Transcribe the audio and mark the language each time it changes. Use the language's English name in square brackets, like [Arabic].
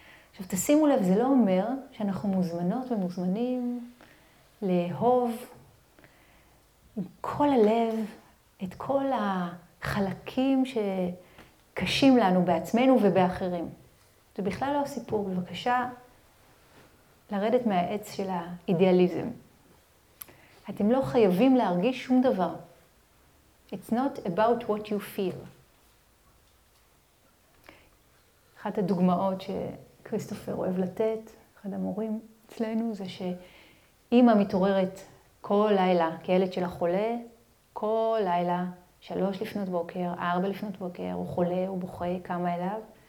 [Hebrew] עכשיו, תשימו לב, זה לא אומר שאנחנו מוזמנות ומוזמנים לאהוב עם כל הלב את כל החלקים שקשים לנו בעצמנו ובאחרים. זה בכלל לא סיפור, בבקשה לרדת מהעץ של האידיאליזם. אתם לא חייבים להרגיש שום דבר. [English] It's not about what you feel. [Hebrew] אחת הדוגמאות שקריסטופר אוהב לתת, אחד המורים אצלנו, זה שאימא מתעוררת כל לילה כילד של החולה, כל לילה, 3 לפנות בוקר, 4 לפנות בוקר, הוא חולה, הוא בוכה, קמה אליו.